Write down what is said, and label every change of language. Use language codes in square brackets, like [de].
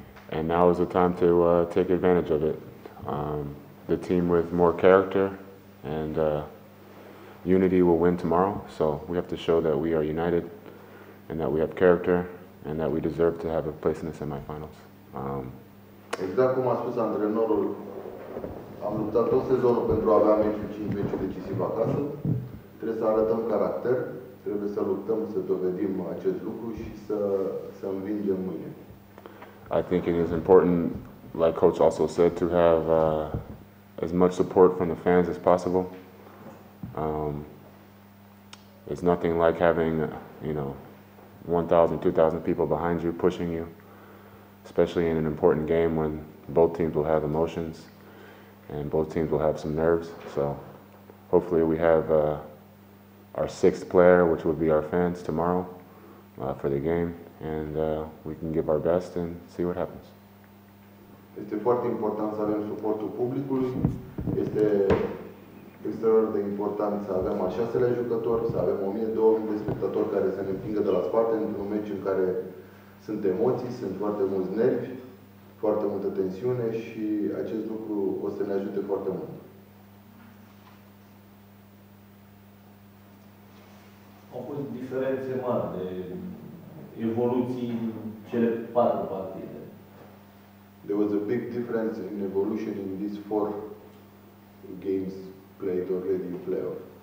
[en] And now is the time to take advantage of it. The team with more character and unity will win tomorrow. So we have to show that we are united and that we have character and that we deserve to have a place in the semifinals. [ro] Exact cum a spus antrenorul, am luptat tot sezonul pentru a avea meciul 5, meciul decisiv acasă. Trebuie să arătăm caracter, trebuie să luptăm, să dovedim acest lucru și să învingem mâine. [en] I think it is important, like coach also said, to have as much support from the fans as possible. It's nothing like having, you know, 1,000, 2,000 people behind you, pushing you, especially in an important game when both teams will have emotions and both teams will have some nerves. So hopefully we have our sixth player, which would be our fans, tomorrow for the game, and we can give our best and see what happens. [ro] Este foarte important să avem suportul publicului. Este extraordinar de important să avem al șaselea jucător, să avem 1000-2000 de spectatori care să ne împingă de la spate într-un meci în care sunt emoții, sunt foarte mulți nervi, foarte multă tensiune și acest lucru o să ne ajute foarte mult. Au fost diferențe mari de evoluții în cele 4 partide. [en] There was a big difference in evolution in these 4 games played already in playoff.